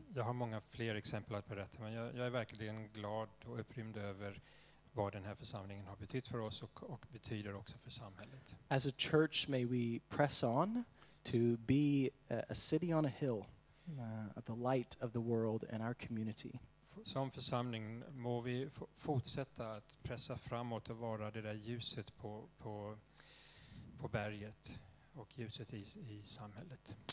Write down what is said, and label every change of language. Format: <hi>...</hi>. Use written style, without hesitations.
<sv>Jag har många fler exempel att berätta, men jag är verkligen glad och upprymd över vad den här församlingen har betytt för oss och betyder också för samhället.</sv> <en>As a church, may we press on to be a city on a hill, the light of the world in our community.</en> <sv>Som församling må vi fortsätta att pressa framåt och vara det där ljuset på berget och ljuset i samhället.</sv>